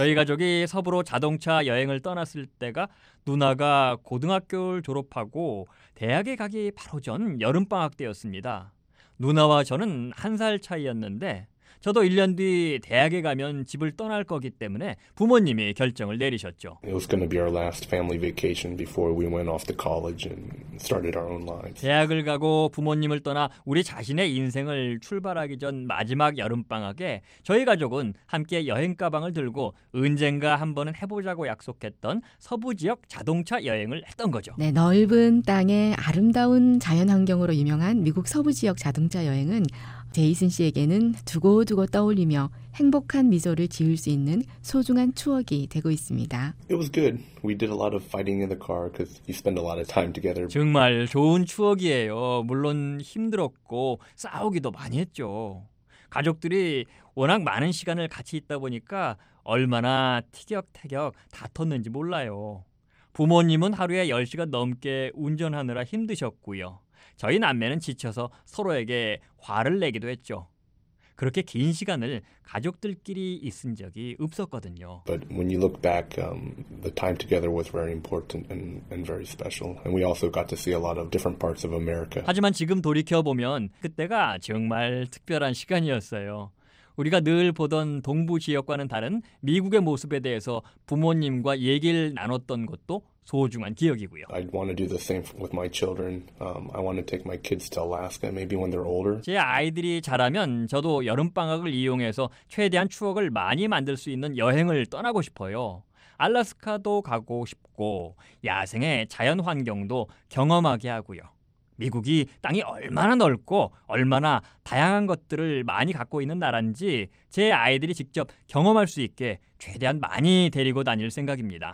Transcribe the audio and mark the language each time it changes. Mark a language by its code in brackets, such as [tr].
[ko] 저희 가족이 서부로 자동차 여행을 떠났을 때가 누나가 고등학교를 졸업하고 대학에 가기 바로 전 여름 방학 때였습니다. 누나와 저는 한 살 차이였는데 저도 1년 뒤 대학에 가면 집을 떠날 거기 때문에 부모님이 결정을 내리셨죠. [en] It was going to be our last family vacation before we went off to college and started our own lives. [ko] 대학을 가고 부모님을 떠나 우리 자신의 인생을 출발하기 전 마지막 여름방학에 저희 가족은 함께 여행 가방을 들고 언젠가 한번은 해보자고 약속했던 서부 지역 자동차 여행을 했던 거죠. 네, 넓은 땅에 아름다운 자연 환경으로 유명한 미국 서부 지역 자동차 여행은 제이슨 씨에게는 두고두고 떠올리며 행복한 미소를 지을 수 있는 소중한 추억이 되고 있습니다. [en] It was good. We did a lot of fighting in the car because you spend a lot of time together. [ko] 정말 좋은 추억이에요. 물론 힘들었고 싸우기도 많이 했죠. 가족들이 워낙 많은 시간을 같이 있다 보니까 얼마나 티격태격 다퉜는지 몰라요. 부모님은 하루에 10시간 넘게 운전하느라 힘드셨고요. 저희 남매는 지쳐서 서로에게 화를 내기도 했죠. 그렇게 긴 시간을 가족들끼리 있은 적이 없었거든요. [en] But when you look back, the time together was very important and very special. And we also got to see a lot of different parts of America. [ko] 하지만 지금 돌이켜 보면 그때가 정말 특별한 시간이었어요. 우리가 늘 보던 동부 지역과는 다른 미국의 모습에 대해서 부모님과 얘기를 나눴던 것도 소중한 기억이고요. [en] I'd want to do the same with my children. I want to take my kids to Alaska maybe when they're older. [ko] 제 아이들이 자라면 저도 여름 방학을 이용해서 최대한 추억을 많이 만들 수 있는 여행을 떠나고 싶어요. 알래스카도 가고 싶고 야생의 자연 환경도 경험하게 하고요. 미국이 땅이 얼마나 넓고 얼마나 다양한 것들을 많이 갖고 있는 나라인지 제 아이들이 직접 경험할 수 있게 최대한 많이 데리고 다닐 생각입니다.